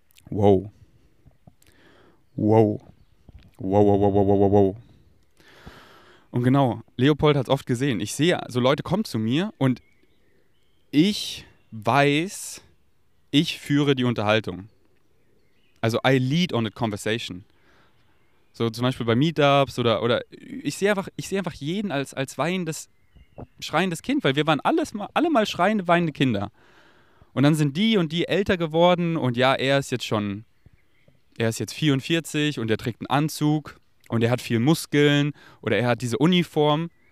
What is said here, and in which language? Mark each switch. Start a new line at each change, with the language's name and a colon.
German: Wow. Wow. Wow, wow, wow, wow, wow, wow. Und genau, Leopold hat es oft gesehen. Ich sehe, so Leute kommen zu mir und ich weiß, ich führe die Unterhaltung.
English: Also I lead on the conversation.
German: So zum Beispiel bei Meetups oder ich sehe einfach jeden als weinendes, schreiendes Kind, weil wir waren alle mal schreiende, weinende Kinder. Und dann sind die und die älter geworden und ja, er ist jetzt 44 und er trägt einen Anzug und er hat viel Muskeln oder er hat diese Uniform.